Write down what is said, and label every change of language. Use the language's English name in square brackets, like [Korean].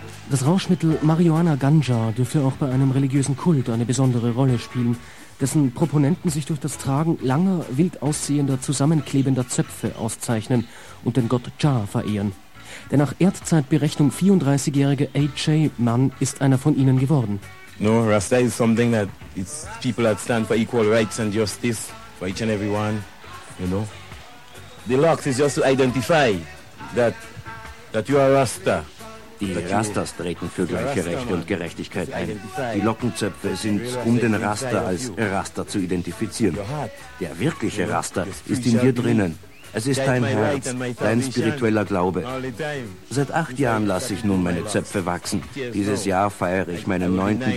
[German] Das Rauschmittel Marihuana Ganja dürfte auch bei einem religiösen Kult eine besondere Rolle spielen, dessen Proponenten sich durch das Tragen langer, wild aussehender, zusammenklebender Zöpfe auszeichnen und den Gott Jah verehren. Der nach Erdzeitberechnung 34-jährige A.J. Mann ist einer von ihnen geworden. [English] No, Rasta is something that it's people that stand for equal rights and justice for each and everyone, you know. The locks is just to identify that you are Rasta. [German] Die Rastas treten für gleiche Rechte und Gerechtigkeit ein. Die Lockenzöpfe sind, um den Rasta als Rasta zu identifizieren. Der wirkliche Rasta ist in dir drinnen. Es ist dein Herz, dein spiritueller Glaube. Seit 8 Jahren lasse ich nun meine Zöpfe wachsen. Dieses Jahr feiere ich meinen 9.